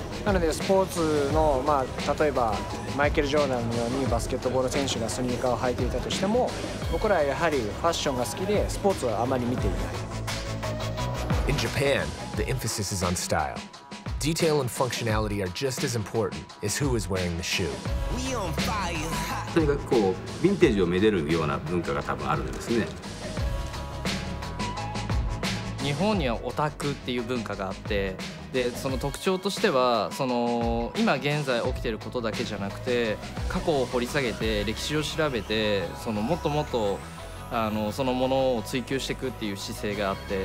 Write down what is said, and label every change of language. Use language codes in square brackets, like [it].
[ja] なのでスポーツの、まあ、例えばマイケル・ジョーダンのようにバスケットボール選手がスニーカーを履いていたとしても、僕らはやはりファッションが好きでスポーツはあまり見ていない。 [en] In Japan, the emphasis is on style. Detail and functionality are just as important as who is wearing the shoe. We on fire. [ja] とにかくこうヴィンテージをめでるような文化が多分あるんですね。日本にはオタクっていう文化があって、でその特徴としてはその今現在起きていることだけじゃなくて、過去を掘り下げて歴史を調べて、そのもっともっとそのものを追求していくっていう姿勢があって、